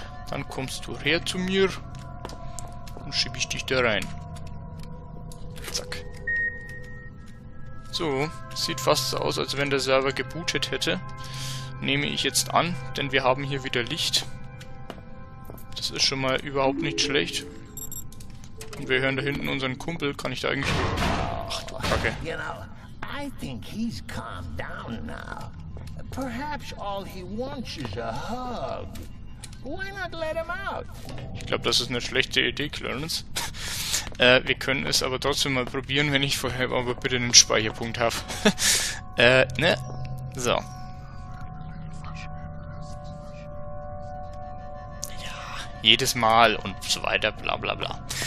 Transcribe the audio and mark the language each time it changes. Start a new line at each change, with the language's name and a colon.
German: Dann kommst du her zu mir und schiebe ich dich da rein. Zack. So, sieht fast so aus, als wenn der Server gebootet hätte. Nehme ich jetzt an, denn wir haben hier wieder Licht. Das ist schon mal überhaupt nicht schlecht. Und wir hören da hinten unseren Kumpel. Kann ich da eigentlich... Ach du Kacke.
English: You know, I think he's calmed down now. Perhaps all he wants is a hug. Why not let him out?
German: Ich glaube, das ist eine schlechte Idee, Clarence. wir können es aber trotzdem mal probieren, wenn ich vorher aber bitte einen Speicherpunkt habe. ne? So. Ja, jedes Mal und so weiter, bla bla bla.